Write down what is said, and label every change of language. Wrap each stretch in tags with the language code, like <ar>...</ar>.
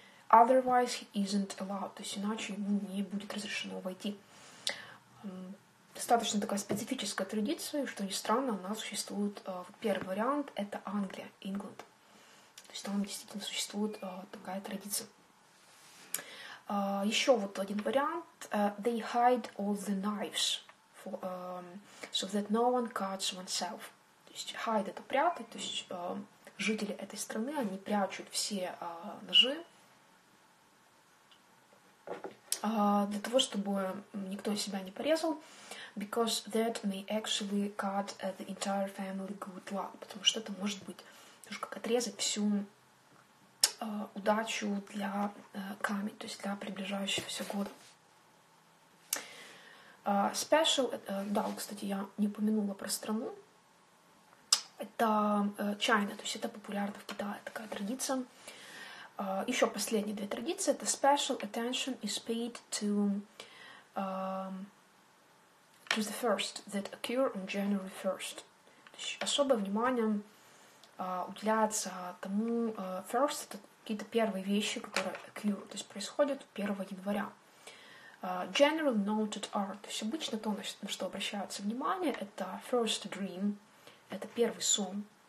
<en>Otherwise he isn't allowed.</en> <ru>То есть иначе ему не будет разрешено войти. Достаточно такая специфическая традиция, что ни странно, она существует. Первый вариант — это Англия, England. То есть там действительно существует такая традиция. Еще вот один вариант.</ru> <en>They hide all the knives for, so that no one cuts oneself.</en> <ru>То есть hide — это прятать, то есть жители этой страны, они прячут все ножи для того, чтобы никто себя не порезал.</ru> <en>Because that may actually cut the entire family good luck.</en> <ru>Потому что это может быть тоже как отрезать всю удачу для камень, то есть для приближающегося года. Special, да, кстати, я не упомянула про страну. Это China, то есть это популярно в Китае, такая традиция. Еще последние две традиции.</ru> <en>Это special attention is paid to the first that occur on January 1st.</en> <ru>То есть особое внимание уделяется тому first, это какие-то первые вещи, которые occur, то есть происходят 1 января.</ru> <en>General noted are,</en> <ru>то есть обычно то, на что обращается внимание, это</ru> <en>first dream,</en> <ru>это первый сон.</ru>